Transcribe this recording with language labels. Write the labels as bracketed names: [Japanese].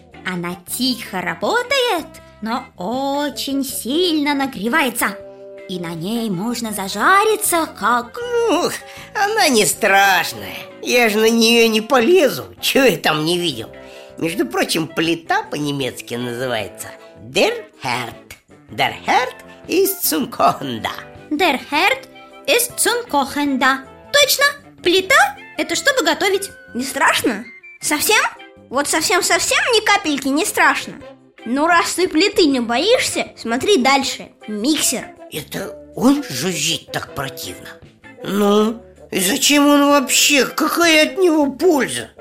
[Russian] Она тихо работает, но очень сильно нагревается. И на ней можно зажариться, как... Ух, она не страшная. Я же на нее не полезу, чего я там не видел. Между прочим, плита по-немецки называется Der Herd. [German] Der Herd ist zum Kochen da. Der Herd ist zum Kochen da. [Russian] Точно, плита – это чтобы готовить. Не страшно? Совсем? Вот совсем-совсем ни капельки не страшно. Ну, раз ты плиты не боишься, смотри дальше. Миксер. Это он жужжит так противно? Ну, и зачем он вообще? Какая от него польза?